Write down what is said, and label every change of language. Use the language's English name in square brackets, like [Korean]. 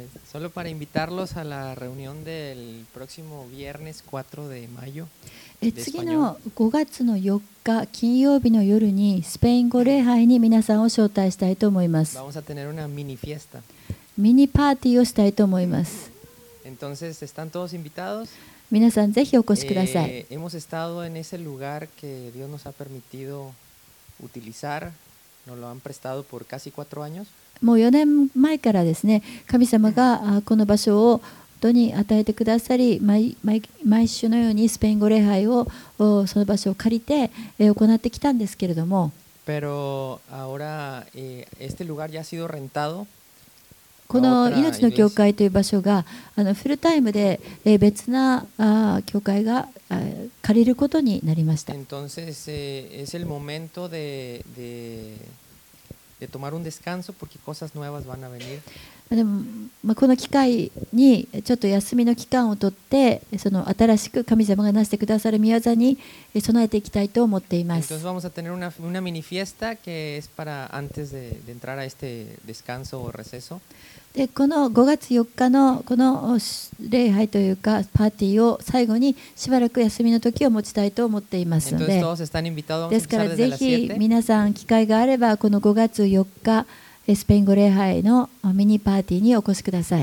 [Spanish] solo para invitarlos a la reunión del próximo viernes 4 de mayo. [Japanese] 次の5月の4日金曜日の夜にスペイン語礼拝に皆さんを招待したいと思います。 [Spanish] Vamos a tener una mini fiesta. [Japanese] ミニパーティーをしたいと思います。 [Spanish] Entonces, ¿están todos invitados? [Japanese] 皆さんぜひお越しください。 [Spanish] Hemos estado en ese lugar que Dios nos ha permitido utilizar. Nos lo han prestado por casi cuatro años. [Japanese] もう4年前からですね、神様がこの場所を本当に与えてくださり、毎週のようにスペイン語礼拝をその場所を借りて行ってきたんですけれども。 [Spanish] Pero ahora, este lugar ya ha sido rentado. [Japanese] この命の教会という場所がフルタイムで別な教会が借りることになりました。 [Spanish] Entonces, es el momento de tomar un descanso porque cosas nuevas van a venir. [Japanese] でも、まあ、この機会にちょっと休みの期間を取って、その新しく神様がなしてくださる御業に備えていきたいと思っています。 [Spanish] Entonces vamos a tener una mini fiesta que es para antes de entrar a este descanso o receso. [Japanese] でこの5月4日のこの礼拝というかパーティーを最後にしばらく休みの時を持ちたいと思っていますので、ですからぜひ皆さん機会があればこの5月4日スペイン語礼拝のミニパーティーにお越しください。